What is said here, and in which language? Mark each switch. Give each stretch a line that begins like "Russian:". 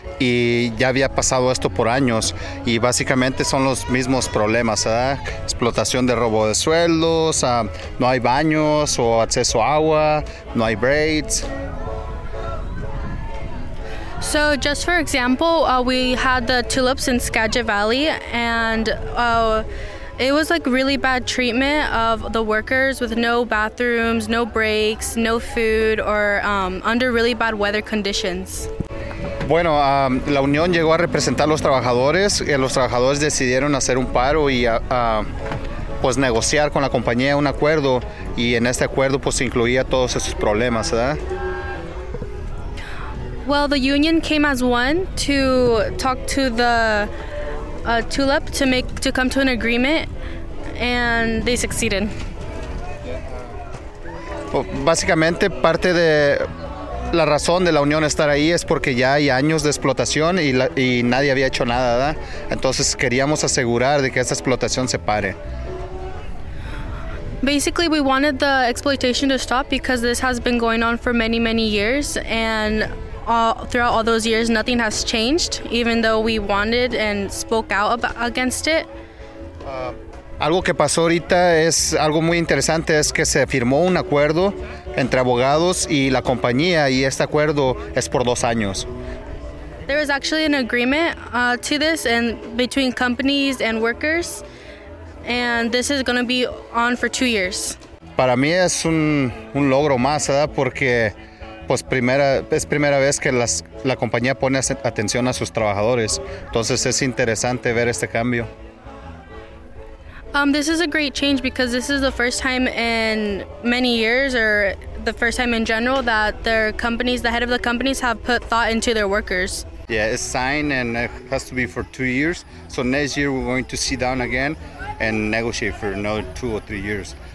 Spanish: Y ya había pasado esto por años, y básicamente son los mismos problemas, ¿verdad? Explotación de robo de sueldos, no hay baños o acceso a agua, no hay braids.
English: So just for example, we had the tulips in Skagit Valley, and it was like really bad treatment of the workers, with no bathrooms, no breaks, no food, or under really bad weather conditions.
Spanish: Bueno, la unión llegó a representar a los trabajadores, y los trabajadores decidieron hacer un paro y pues negociar con la compañía un acuerdo, y en este acuerdo pues incluía todos esos problemas, ¿verdad?
English: Well, the union came as one to talk to the tulip to come to an agreement, and they succeeded.
Spanish: Básicamente parte de la razón de la unión estar ahí es porque ya hay años de explotación y nadie había hecho nada, ¿verdad? Entonces queríamos asegurar de que esta explotación se pare.
English: Basically, we wanted the exploitation to stop because this has been going on for many, many years, and throughout all those years, nothing has changed, even though we wanted and spoke out against it.
Spanish: Algo que pasó ahorita es algo muy interesante, es que se firmó un acuerdo entre abogados y la compañía, y este acuerdo es por 2 años.
English: There is actually an agreement to this, and between companies and workers, and this is going to be on for 2 years.
Spanish: Para mí es un logro más, ¿verdad? Porque pues es primera vez que la compañía pone atención a sus trabajadores. Entonces es interesante ver este cambio.
English: This is a great change because this is the first time in many years, or the first time in general, that their companies, the head of the companies, have put thought into their workers. Yeah, it's signed and it has to be for 2 years. So next year we're going to sit down again and negotiate for another 2 or 3 years.